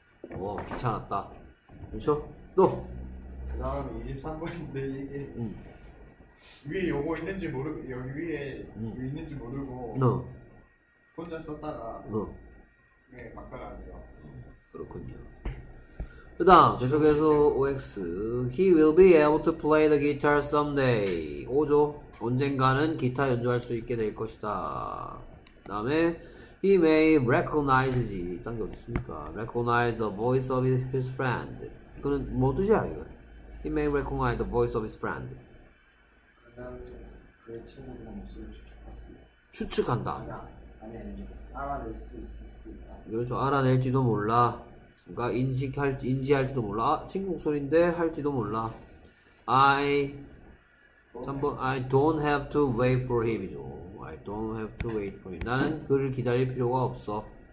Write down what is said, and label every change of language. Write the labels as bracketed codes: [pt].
[ko] 와 귀찮았다. 그렇죠. 또. 그다음 23번인데 이게. 위에 요거 있는지 모르고 여기 위에 있는지 모르고 혼자 썼다가 네, 막달하네요. 그렇군요. 그다음 계속해서 OX. [en] He will be able to play the guitar someday. [ko] 오죠. 언젠가는 기타 연주할 수 있게 될 것이다. 다음에 [en] He may recognize [ko] 지. 딴 게 어디 있습니까? [en] Recognize the voice of his friend. [ko] 그건 뭐 뜻이야 이거? [en] He may recognize the voice of his friend. [ko] 그 다음에 그의 친구들의 모습을 추측한다. 아니 알아낼 수 있을까? 그렇죠. 알아낼지도 몰라. 그러니까 인지할지도 몰라. 아, 친구 목소리인데 할지도 몰라. [en] I 3번 I don't have to wait for him. I don't have to wait for him. [ko] 나는 그를 기다릴 필요가 없어.